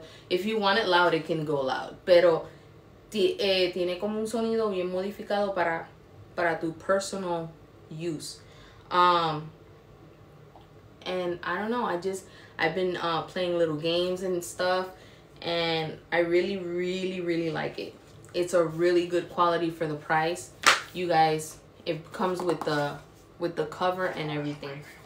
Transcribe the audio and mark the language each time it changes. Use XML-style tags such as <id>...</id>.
<en>If you want it loud, it can go loud.</en> <es>Pero tiene como un sonido bien modificado para tu</es> <en>personal use. And I don't know. I've been playing little games and stuff, and I really, really, really like it. It's a really good quality for the price. You guys, it comes with the cover and everything.</en>